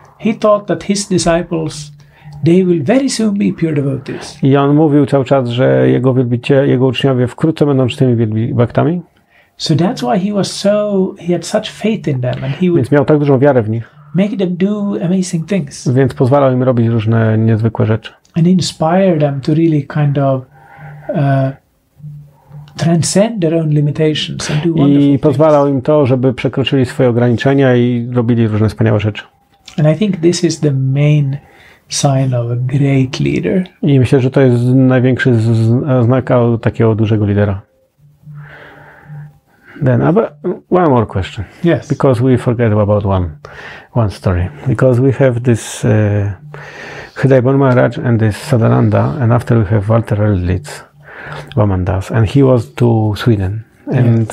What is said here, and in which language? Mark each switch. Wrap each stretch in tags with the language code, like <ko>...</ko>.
<en>He thought that his disciples, they will very soon be pure devotees.</en> <pl>I on mówił cały czas, że jego uczniowie wkrótce będą czystymi bhaktami.</pl> <en>So that's why he had such faith in them, and he would.</en> <pl>Więc miał tak dużą wiarę w nich.</pl> <en>Make them do amazing things.</en> <pl>Więc pozwalał im robić różne niezwykłe rzeczy.</pl> <en>And inspire them to really kind of transcend their own limitations and do wonderful things.</en> <pl>I pozwalał im to, żeby przekroczyli swoje ograniczenia i robili różne wspaniałe rzeczy.</pl> <en>And I think this is the main sign of a great leader.</en> <pl>I myślę, że to jest największy znak takiego dużego lidera.</pl> <en>Then, but one more question. Yes. Because we forget about one story. Because we have this Hridayaboma Maharaj and this Sadananda, and after we have Walter Erlitz, Vamandas, and he was to Sweden. And yes.</en>